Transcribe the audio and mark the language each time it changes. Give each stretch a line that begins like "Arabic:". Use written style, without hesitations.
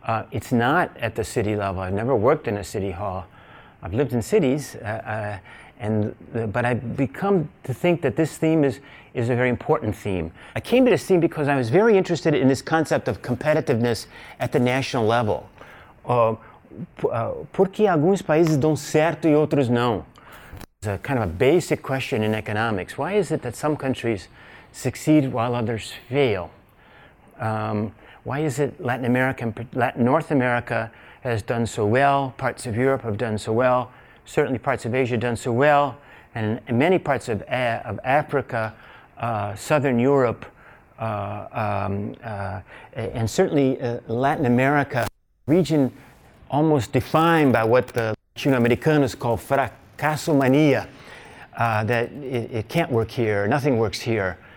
English: It's not at the city level. I've never worked in a city hall. I've lived in cities, but I've become to think that this theme is a very important theme. I came to this theme because I was very interested in this concept of competitiveness at the national level.
Portuguese: Por que alguns países dão certo e outros não?
English: It's a kind of a basic question in economics. Why is it that some countries succeed while others fail? Why is it North America has done so well, parts of Europe have done so well, certainly parts of Asia have done so well, and in many parts of Africa, Southern Europe, and certainly Latin America, region almost defined by what the Latinoamericanos call fracaso mania, that it can't work here, nothing works here.